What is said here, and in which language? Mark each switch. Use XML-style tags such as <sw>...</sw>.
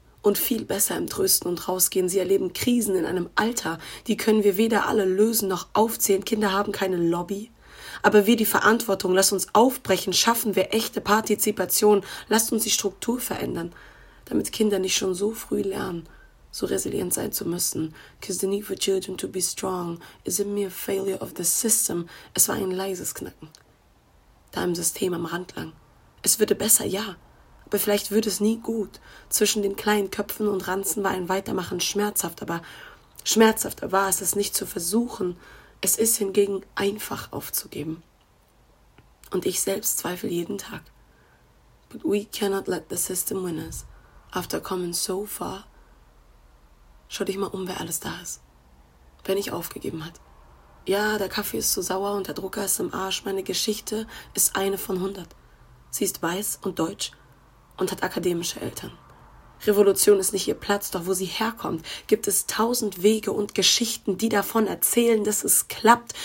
<de>Und viel besser im Trösten und Rausgehen. Sie erleben Krisen in einem Alter, die können wir weder alle lösen noch aufzählen. Kinder haben keine Lobby. Aber wir die Verantwortung, lass uns aufbrechen, schaffen wir echte Partizipation. Lasst uns die Struktur verändern, damit Kinder nicht schon so früh lernen, so resilient sein zu müssen.</de> <en>'Cause the need for children to be strong is a mere failure of the system.</en> <de>Es war ein leises Knacken. Da im System am Rand lang. Es würde besser, ja. Aber vielleicht würde es nie gut. Zwischen den kleinen Köpfen und Ranzen war ein Weitermachen schmerzhaft, aber schmerzhafter war es, es nicht zu versuchen. Es ist hingegen einfach aufzugeben. Und ich selbst zweifle jeden Tag.</de> <en>But we cannot let the system win us. After coming so far,</en> <de>schau dich mal um, wer alles da ist. Wer nicht aufgegeben hat. Ja, der Kaffee ist zu sauer und der Drucker ist im Arsch. Meine Geschichte ist eine von 100. Sie ist weiß und deutsch. Und hat akademische Eltern. Revolution ist nicht ihr Platz, doch wo sie herkommt, gibt es 1000 Wege und Geschichten, die davon erzählen, dass es klappt.</de>